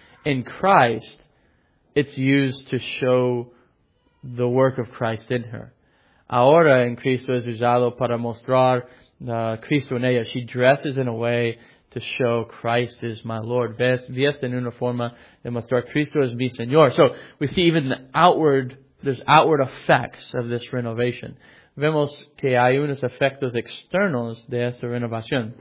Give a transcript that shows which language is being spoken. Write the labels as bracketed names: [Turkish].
[English] In Christ, it's used to show the work of Christ in her. [Spanish] Ahora en Cristo es usado para mostrar Cristo en ella. [English] She dresses in a way to show Christ is my Lord. [Spanish] Viste en una forma de mostrar Cristo es mi Señor. [English] So we see even the outward, there's outward effects of this renovation. [Spanish] Vemos que hay unos efectos externos de esta renovación.